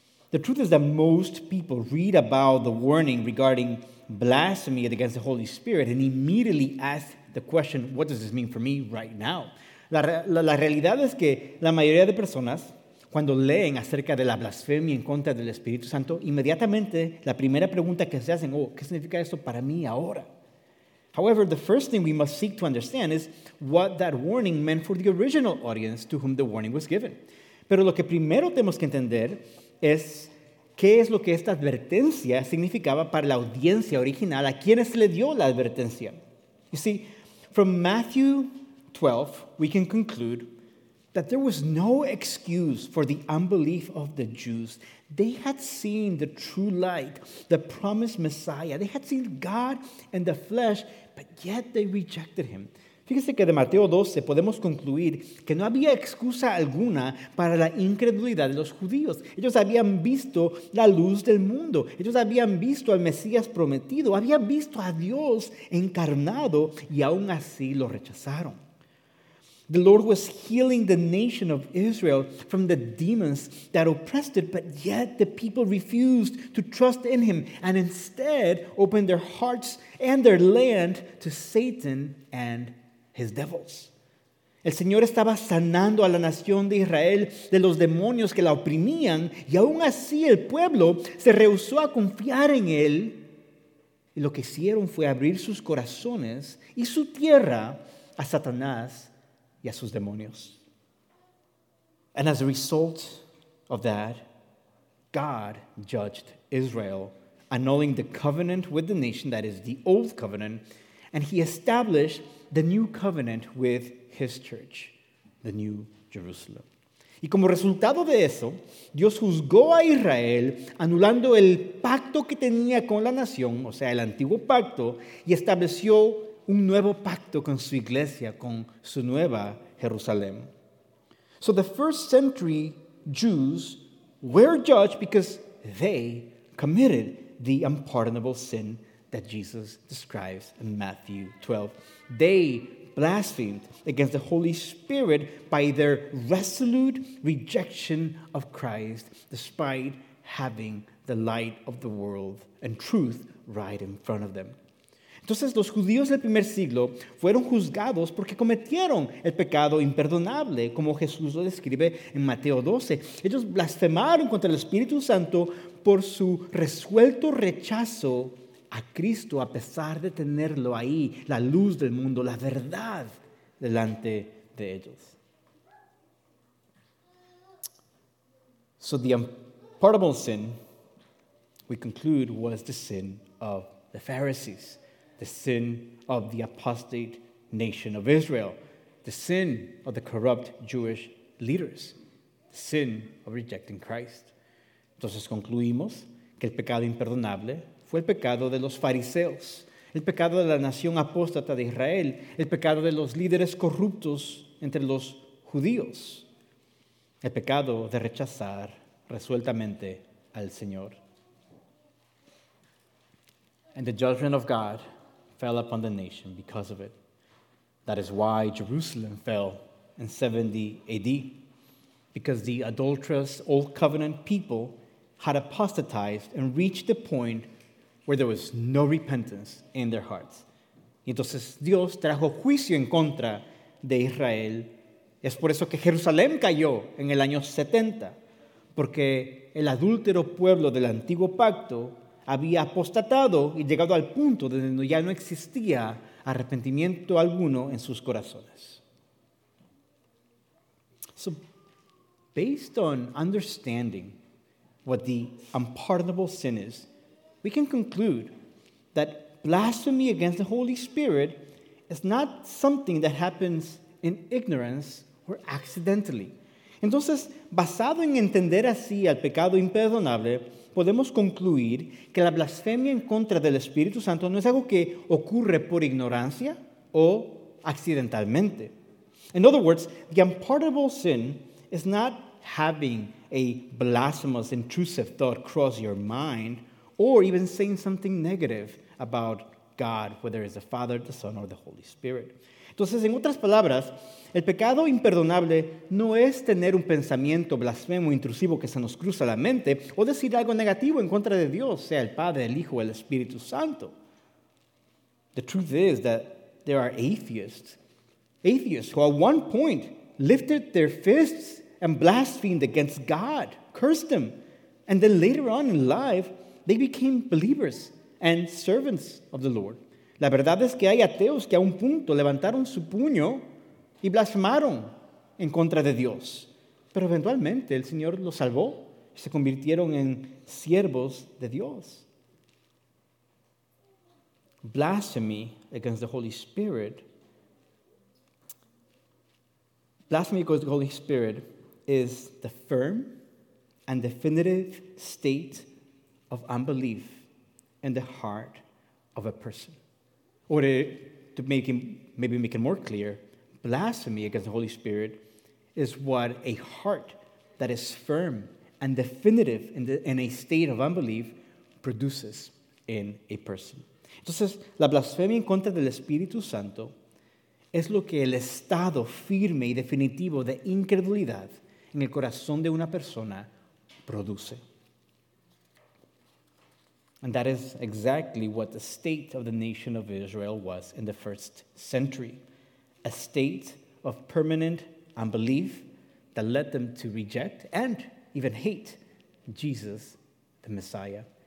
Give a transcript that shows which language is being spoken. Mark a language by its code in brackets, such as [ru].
[en] The truth is that most people read about the warning regarding blasphemy against the Holy Spirit and immediately ask the question, what does this mean for me right now? [es] La realidad es que la mayoría de personas, cuando leen acerca de la blasfemia en contra del Espíritu Santo, inmediatamente la primera pregunta que se hacen, oh, ¿qué significa esto para mí ahora? [en] However, the first thing we must seek to understand is what that warning meant for the original audience to whom the warning was given. [es] Pero lo que primero tenemos que entender es qué es lo que esta advertencia significaba para la audiencia original, a quienes se le dio la advertencia. [en] You see, from Matthew 12, we can conclude that there was no excuse for the unbelief of the Jews. They had seen the true light, the promised Messiah. They had seen God in the flesh, but yet they rejected him. [es] Fíjese que de Mateo 12 podemos concluir que no había excusa alguna para la incredulidad de los judíos. Ellos habían visto la luz del mundo. Ellos habían visto al Mesías prometido. Habían visto a Dios encarnado y aún así lo rechazaron. [en] The Lord was healing the nation of Israel from the demons that oppressed it, but yet the people refused to trust in him and instead opened their hearts and their land to Satan and his devils. [es] El Señor estaba sanando a la nación de Israel de los demonios que la oprimían, y aún así el pueblo se rehusó a confiar en él. Y lo que hicieron fue abrir sus corazones y su tierra a Satanás y a sus demonios. [en] And as a result of that, God judged Israel, annulling the covenant with the nation, that is the old covenant, and he established the new covenant with his church, the new Jerusalem. [es] Y como resultado de eso, Dios juzgó a Israel, anulando el pacto que tenía con la nación, o sea, el antiguo pacto, y estableció un nuevo pacto con su iglesia, con su nueva Jerusalén. [en] So the first century Jews were judged because they committed the unpardonable sin that Jesus describes in Matthew 12. They blasphemed against the Holy Spirit by their resolute rejection of Christ, despite having the light of the world and truth right in front of them. [es] Entonces, los judíos del primer siglo fueron juzgados porque cometieron el pecado imperdonable, como Jesús lo describe en Mateo 12. Ellos blasfemaron contra el Espíritu Santo por su resuelto rechazo a Cristo, a pesar de tenerlo ahí, la luz del mundo, la verdad delante de ellos. [en] So the unpardonable sin, we conclude, was the sin of the Pharisees. The sin of the apostate nation of Israel, the sin of the corrupt Jewish leaders, the sin of rejecting Christ. [es] Entonces concluimos que el pecado imperdonable fue el pecado de los fariseos, el pecado de la nación apóstata de Israel, el pecado de los líderes corruptos entre los judíos, el pecado de rechazar resueltamente al Señor. [en] And the judgment of God fell upon the nation because of it. That is why Jerusalem fell in 70 AD, because the adulterous Old Covenant people had apostatized and reached the point where there was no repentance in their hearts. [es] Y entonces Dios trajo juicio en contra de Israel. Es por eso que Jerusalén cayó en el año 70, porque el adúltero pueblo del antiguo pacto había apostatado y llegado al punto de donde ya no existía arrepentimiento alguno en sus corazones. [en] So, based on understanding what the unpardonable sin is, we can conclude that blasphemy against the Holy Spirit is not something that happens in ignorance or accidentally. [es] Entonces, basado en entender así al pecado imperdonable, podemos concluir que la blasfemia en contra del Espíritu Santo no es algo que ocurre por ignorancia o accidentalmente. [en] In other words, the unpardonable sin is not having a blasphemous, intrusive thought cross your mind or even saying something negative about God, whether it's the Father, the Son, or the Holy Spirit. [es] Entonces, en otras palabras, el pecado imperdonable no es tener un pensamiento blasfemo, intrusivo que se nos cruza la mente, o decir algo negativo en contra de Dios, sea el Padre, el Hijo o el Espíritu Santo. [en] The truth is that there are atheists who at one point lifted their fists and blasphemed against God, cursed him, and then later on in life, they became believers and servants of the Lord. [es] La verdad es que hay ateos que a un punto levantaron su puño y blasfemaron en contra de Dios. Pero eventualmente el Señor los salvó y se convirtieron en siervos de Dios. [en] Blasphemy against the Holy Spirit. Blasphemy against the Holy Spirit is the firm and definitive state of unbelief in the heart of a person. Or to make it more clear, blasphemy against the Holy Spirit is what a heart that is firm and definitive in a state of unbelief produces in a person. [es] Entonces, la blasfemia en contra del Espíritu Santo es lo que el estado firme y definitivo de incredulidad en el corazón de una persona produce. [en] And that is exactly what the state of the nation of Israel was in the first century. A state of permanent unbelief that led them to reject and even hate Jesus, the Messiah.